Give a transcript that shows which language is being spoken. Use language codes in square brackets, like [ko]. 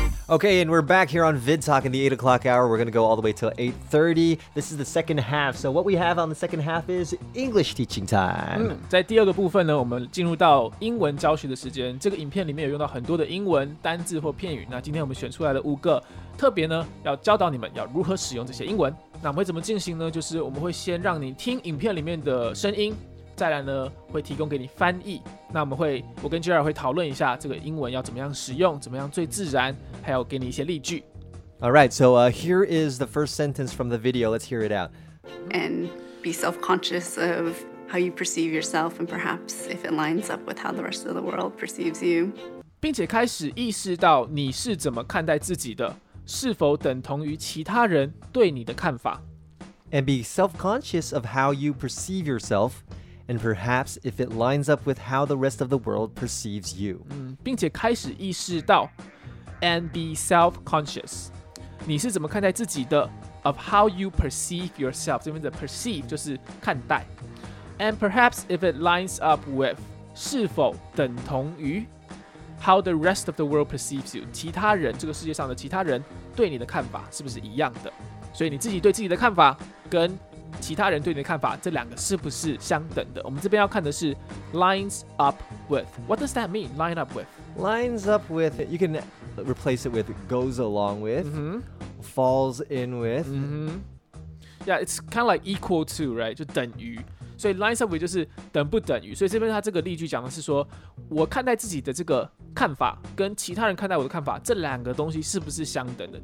[en] Okay, and we're back here on VidTalk in the 8 o'clock hour. We're going to go all the way till 8:30. This is the second half. So what we have on the second half is English teaching time. [zh] 在第二个部分呢, 我们进入到英文教学的时间。这个影片里面有用到很多的英文单字或片语, 那今天我们选出来了五个, 特别呢, 要教导你们, 要如何使用这些英文。那我们会怎么进行呢? 就是我们会先让你听影片里面的声音, 再来呢, 会提供给你翻译。那我们会, 我跟Jerry会讨论一下, 这个英文要怎么样使用, 怎么样最自然, 还有给你一些例句。 [en] All right, so here is the first sentence from the video. Let's hear it out. And be self-conscious of how you perceive yourself and perhaps if it lines up with how the rest of the world perceives you. [zh] 并且开始意识到你是怎么看待自己的, 是否等同于其他人对你的看法。 [en] And be self-conscious of how you perceive yourself and perhaps if it lines up with how the rest of the world perceives you. [zh] 并且开始意识到 [en] and be self-conscious. [zh] 你是怎么看待自己的 [en] of how you perceive yourself. [zh] 这边的perceive就是看待。 [en] And perhaps if it lines up with [zh] 是否等同于 [en] how the rest of the world perceives you. [zh] 其他人, 这个世界上的其他人 对你的看法是不是一样的。所以你自己对自己的看法 跟 其他人对你的看法, 这两个是不是相等的? 我们这边要看的是 [en] lines up with. What does that mean? Line up with. Lines up with. You can replace it with goes along with, falls in with. Yeah, it's kind of like equal to, right? [zh] 就等于.所以 lines up with就是等不等于. 所以这边他这个例句讲的是说, 我看待自己的这个看法 跟其他人看待我的看法, 这两个东西是不是相等的?